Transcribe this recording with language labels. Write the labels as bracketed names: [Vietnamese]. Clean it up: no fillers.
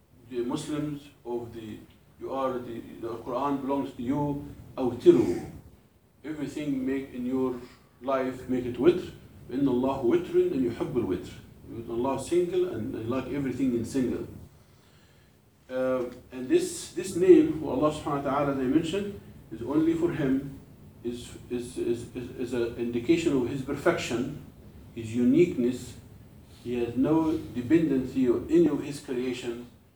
[English] The Muslims of the the Quran belongs to you, awtiru. Everything make in your life make it witr. [Arabic] إن الله وتر and يحب الوتر. [English] الله single and like everything in single. And this name, who Allah subhanahu wa ta'ala they mentioned, is only for him. is an indication of his perfection, his uniqueness. He has no dependency on any of his creation.